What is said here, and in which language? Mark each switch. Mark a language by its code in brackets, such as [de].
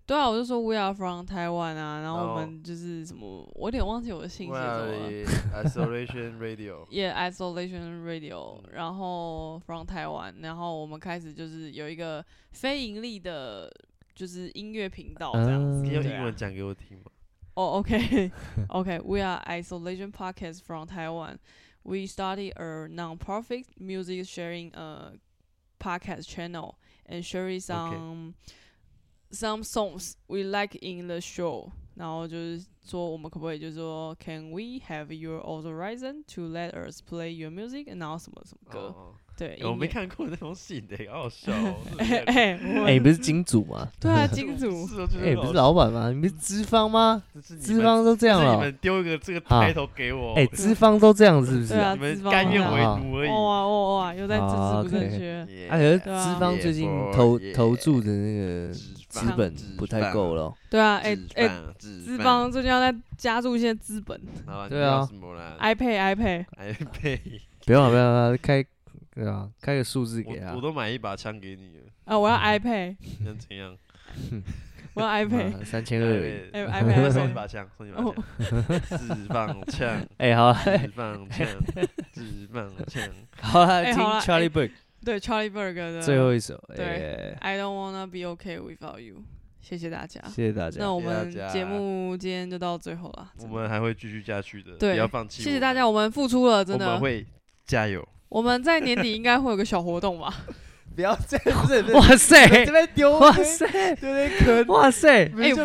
[zh] 对啊，我就说 [en] We are from Taiwan [zh] 啊，然后我们就是什么，我有点忘记我的信写什么了 [en] ，Isolation Radio，Yeah，Isolation [zh] Radio， 然后 [en] from Taiwan， [zh] 然后我们开始就是有一个。非盈利的，就是音乐频道这样子。你用英文讲给我听吗？ [en] 哦、OK，We are Isolation Podcast from Taiwan. We started a non-profit music sharing podcast channel and sharing some songs we like in the show. [zh] 然后就是说，我们可不可以就是说 [en] ，Can we have your authorization to let us play your music? [zh] 然后什么什么歌？对，我没看过那封信的、欸，好好笑、喔。哎、欸，你不是金主吗？对啊，金主。哎、欸，不是老板吗？你不是资方吗？资方都这样了。是你们丢一个这个抬头给我。哎、啊，资、欸、方都这样是不是？对啊，你们甘愿为奴而已。哇哇哇！又在政治不正确。哎、啊，可是资方最近投注的那个资本不太够了。对啊，资方最近要再加入一些资本。对啊 [en] ，iPad，iPad，iPad， [zh] 不用了，不用了，开对啊，开个数字给他。我都买一把枪给你了。啊，我要 iPad。想怎样？我要 iPad， 3200。 [en] iPad [zh] 送你把枪，送你把枪。纸棒枪。哎，好。纸棒枪，纸棒枪。好了，听 Charlie Burke。对 Charlie Burke 的最后一首，对、欸、 [en] I don't wanna be okay without you， [zh] 谢谢大家，谢谢大家。那我们节目今天就到最后了，我们还会继续下去的，对，不要放弃。谢谢大家，我们付出了，真的，我们会加油。我们在年底应该会有个小活动吧？不要这样子，哇塞，这边丢，哇塞，有点坑，哇塞，哎、欸，